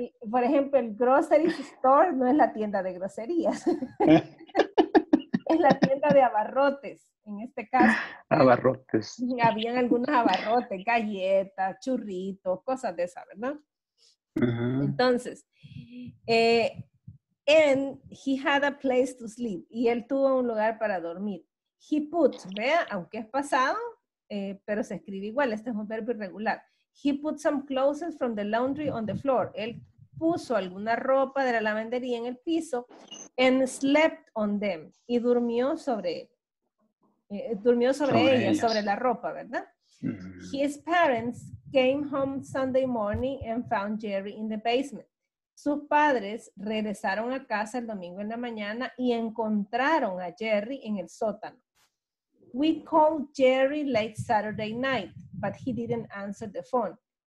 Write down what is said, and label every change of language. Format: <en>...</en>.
<es>Por ejemplo, el grocery store no es la tienda de groserías. Es la tienda de abarrotes, en este caso. Abarrotes. Habían algunos abarrotes, galletas, churritos, cosas de esas, ¿verdad? Uh-huh.</es> <en>Entonces, and he had a place to sleep.</en> <es>Y él tuvo un lugar para dormir. He put, vea, aunque es pasado, pero se escribe igual, este es un verbo irregular.</es> <en>He put some clothes from the laundry on the floor.</en> <es>Él puso alguna ropa de la lavandería en el piso</es> <en>and slept on them.</en> <es>Y durmió sobre ellas, sobre la ropa, ¿verdad? Mm-hmm.</es> <en>His parents came home Sunday morning and found Jerry in the basement.</en> <es>Sus padres regresaron a casa el domingo en la mañana y encontraron a Jerry en el sótano.</es> <en>We called Jerry late Saturday night, but he didn't answer the phone.</en>